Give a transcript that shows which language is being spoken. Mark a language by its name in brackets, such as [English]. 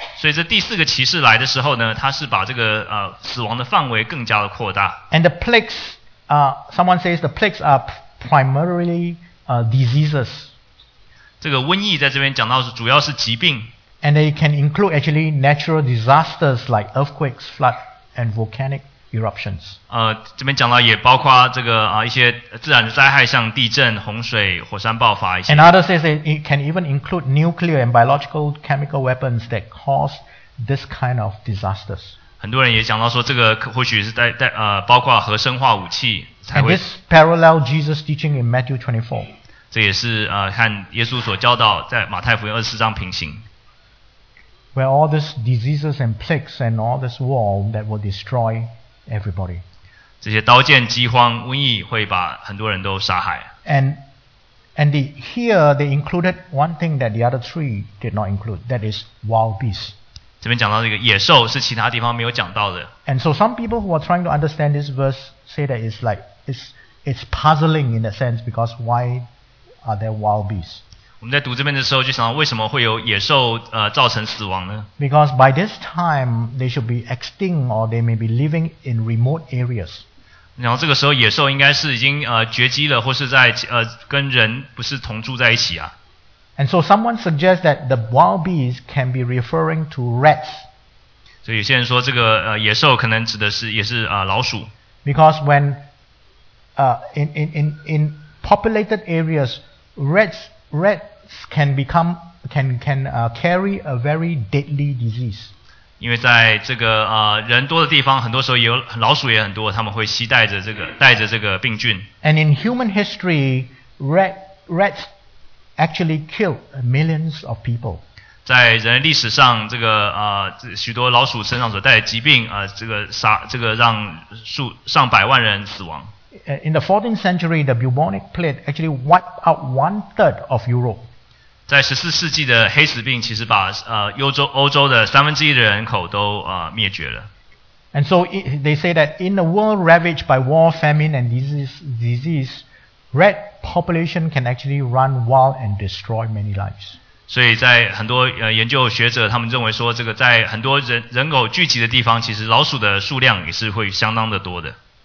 [Chinese] 所以这第四个骑士来的时候呢，他是把这个死亡的范围更加的扩大。 [English] And the plagues, someone says the plagues are primarily diseases. [Chinese] 这个瘟疫在这边讲到是主要是疾病。 [English] And they can include actually natural disasters like earthquakes, flood, and volcanic. Eruptions. [Chinese] 这边讲到也包括这个一些自然的灾害，像地震、洪水、火山爆发一些。 [English] And others say it can even include nuclear and biological chemical weapons that cause this kind of disasters. [Chinese] 很多人也讲到说，这个或许是在包括核生化武器才会。 [English] And this parallel Jesus teaching in Matthew 24. [Chinese] 这也是看耶稣所教导在马太福音24章平行。 [English] Where all these diseases and plagues and all this war that will destroy. Everybody. [Chinese] 这些刀剑、饥荒、瘟疫会把很多人都杀害。 [English] And here they included one thing that the other three did not include, that is wild beasts. [Chinese] 这边讲到这个野兽是其他地方没有讲到的。 [English] And so some people who are trying to understand this verse say that it's like it's puzzling in a sense because why are there wild beasts? [Chinese] 我们在读这边的时候就想到为什么会有野兽造成死亡呢？ [English] Because by this time they should be extinct or they may be living in remote areas. [Chinese] 然后这个时候野兽应该是已经绝迹了，或是在跟人不是同住在一起啊。 [English] And so someone suggests that the wild beasts can be referring to rats. [Chinese] 所以有些人说这个野兽可能指的是也是老鼠。 [English] Because when in populated areas, rats can carry a very deadly disease. [Chinese] 因为在这个人多的地方，很多时候有老鼠也很多，他们会携带着这个病菌。 [English] And in human history, rats actually killed millions of people. [Chinese] 在人类历史上，这个许多老鼠身上所带的疾病让上百万人死亡。 [English] In the 14th century, the bubonic plague actually wiped out one third of Europe. [Chinese] 在14世纪的黑死病其实把欧洲的三分之一的人口都灭绝了。 [English] And so they say that in a world ravaged by war, famine, and disease, rat population can actually run wild and destroy many lives. [Chinese] 所以在很多研究学者他们认为说，这个在很多人口聚集的地方，其实老鼠的数量也是会相当的多的。